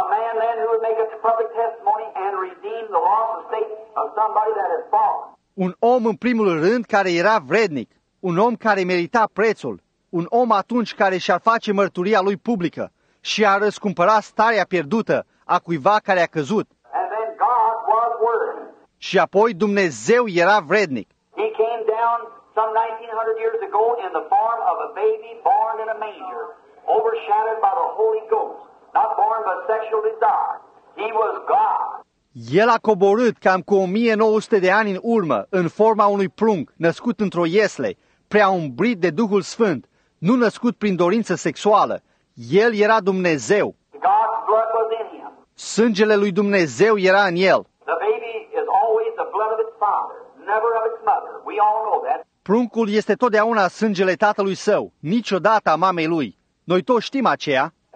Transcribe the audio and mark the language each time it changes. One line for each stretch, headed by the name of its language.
English: and then who would make a public testimony and redeem the lost estate of somebody that has fallen.
Romanian: Un om în primul rând care era vrednic, un om care merita prețul, un om atunci care și-ar face mărturia lui publică și ar răscumpăra starea pierdută a cuiva care a căzut.
English: And then God was worthy.
Romanian: Și apoi Dumnezeu era vrednic.
English: He came down some 1900 years ago in the form of a baby born in a manger, overshadowed by the Holy Ghost, not born but sexual desire. He was God.
Romanian: El a coborât cam cu 1900 de ani în urmă, în forma unui prunc, născut într-o iesle, prea umbrit de Duhul Sfânt, nu născut prin dorință sexuală. El era Dumnezeu.
English: God's blood was in him.
Romanian: Sângele lui Dumnezeu era în el.
English: The baby is always the blood of its father, never of its mother. We all know that.
Romanian: Pruncul este totdeauna sângele tatălui său, niciodată a mamei lui. Noi toți știm aceea.